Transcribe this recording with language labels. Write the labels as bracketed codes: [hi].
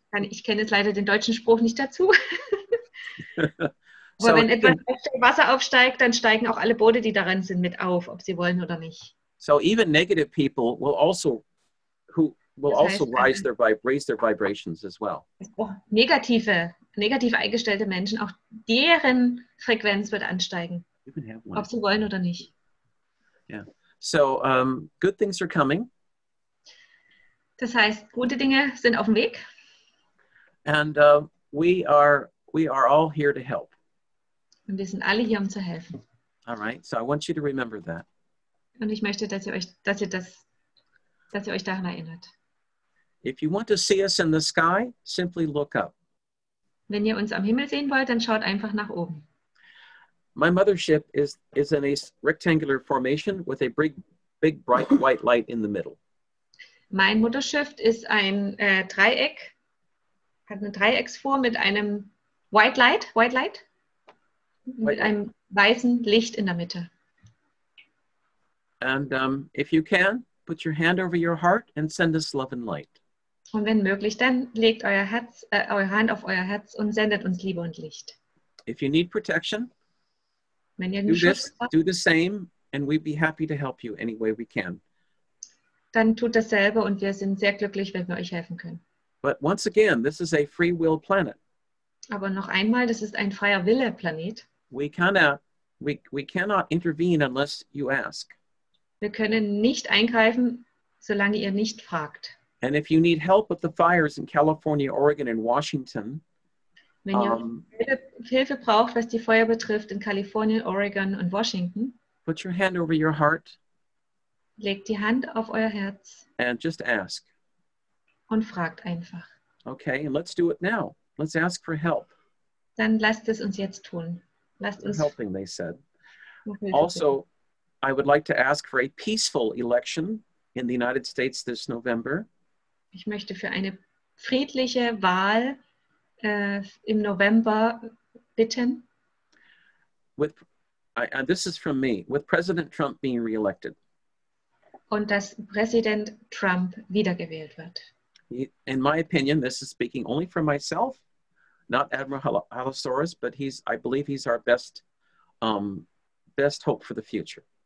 [de] Ich kenne jetzt leider den deutschen Spruch nicht dazu. Aber so wenn etwas Wasser aufsteigt, dann steigen auch alle Boote, die darin sind, mit auf, ob sie wollen oder nicht. [en] So even negative people will also, who will [de] das also heißt, [en] rise their raise their vibrations as well. [de] Negativ eingestellte Menschen, auch deren Frequenz wird ansteigen, ob sie wollen oder nicht. [en] Yeah. So good things are coming. [de] Das heißt, gute Dinge sind auf dem Weg. [en] And we are all here to help. [de] Und wir sind alle hier, um zu helfen. [en] All right, so I want you to remember that. [de] Und ich möchte, dass ihr euch daran erinnert. [en] If you want to see us in the sky, simply look up. [de] Wenn ihr uns am Himmel sehen wollt, dann schaut einfach nach oben. [en] My mothership is in a rectangular formation with a big, big bright white light in the middle. [de] Mein Mutterschiff ist ein Dreieck, hat eine Dreiecksform mit einem [en] White Light. [de] Mit einem weißen Licht in der Mitte. [en] And if you can, put your hand over your heart and send us love and light. [de] Und wenn möglich, dann legt eure Hand auf euer Herz und sendet uns Liebe und Licht. [en] If you need protection, [de] wenn ihr Schutz braucht, [en] do the same and we'd be happy to help you any way we can. [de] Dann tut dasselbe und wir sind sehr glücklich, wenn wir euch helfen können. [en] But once again, this is a free will planet. [de] Aber noch einmal, das ist ein freier Wille Planet. [en] We cannot intervene unless you ask. [de] Wir können nicht eingreifen, solange ihr nicht fragt. [en] And if you need help with the fires in California, Oregon and Washington, [de] wenn ihr Hilfe braucht, was die Feuer betrifft in Kalifornien, Oregon und Washington, [en] put your hand over your heart. [de] Legt die Hand auf euer Herz. [en] And just ask. [de] Und fragt einfach. [en] Okay, and let's do it now. Let's ask for help. [de] Dann lasst es uns jetzt tun. Lasst uns [en] helping, they said. Also, I would like to ask for a peaceful election in the United States this November. [de] Ich möchte für eine friedliche Wahl im November bitten. [en] And this is from me, with President Trump being reelected. [de] Und dass Präsident Trump wiedergewählt wird. [en] In my opinion, this is speaking only for myself, not Admiral Halosaurus, but I believe he's our best hope for the future.